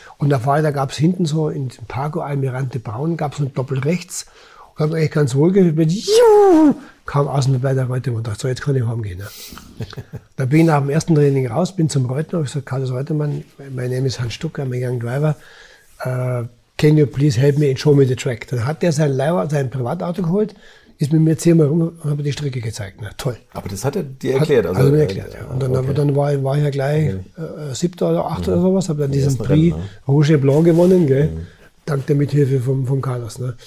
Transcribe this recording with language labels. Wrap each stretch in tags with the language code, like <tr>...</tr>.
<de>Und da gab es hinten so in dem Parco Almirante Braun, gab es ein Doppelrechts. Und da habe ich ganz wohl gefühlt, kam aus dem bei der Reutemann und dachte, so, jetzt kann ich heimgehen. Ne? Da bin ich nach dem ersten Training raus, bin zum Reutemann und habe gesagt, Carlos Reutemann, mein Name ist Hans Stucker, mein Young Driver.</de> <en>Can you please help me and show me the track?</en> <de>Dann hat der sein Privatauto geholt, ist mit mir 10-mal rum und hat mir die Strecke gezeigt. Na, toll. Aber das hat er dir erklärt? Also hat er mir erklärt, ja. Und dann, okay. Dann war ich ja gleich siebter oder achter oder sowas, habe dann diesen Prix Rennen, ne? Rouge et Blanc gewonnen, gell? Dank der Mithilfe vom Carlos. Ne?</de>